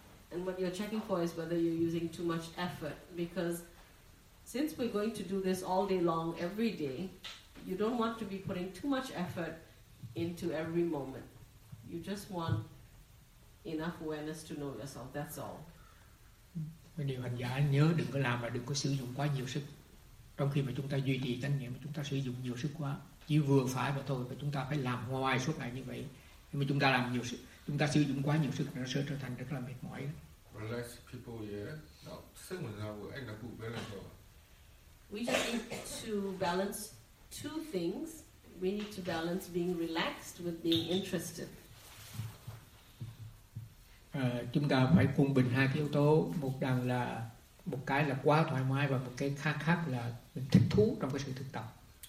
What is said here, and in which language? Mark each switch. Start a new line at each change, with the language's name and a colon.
English: And what you're checking for is whether you're using too much effort, because since we're going to do this all day long, every day, you don't want to be putting too much effort into every moment. You just want enough awareness to know yourself, that's all.
Vietnamese: Điều hành giả nhớ đừng có làm và đừng có sử dụng quá nhiều sức. Trong khi mà chúng ta duy trì tánh niệm, chúng ta sử dụng nhiều sức quá, chỉ vừa phải mà thôi, và chúng ta phải làm ngoài suốt ngày như vậy. Nhưng mà chúng ta làm nhiều sức, chúng ta sử dụng quá nhiều sức, nó sẽ trở thành rất là mệt mỏi.
English: Relax people, yeah.
Vietnamese: No, sức mình ra vừa, anh đã cụ bé lên
English: rồi. We just need to balance two things. We need to balance being relaxed with being interested.
Vietnamese: Chúng ta phải quân bình hai cái yếu tố. Một đằng là, một cái là quá thoải mái, và một cái khác khác là mình thích thú trong cái sự thực tập.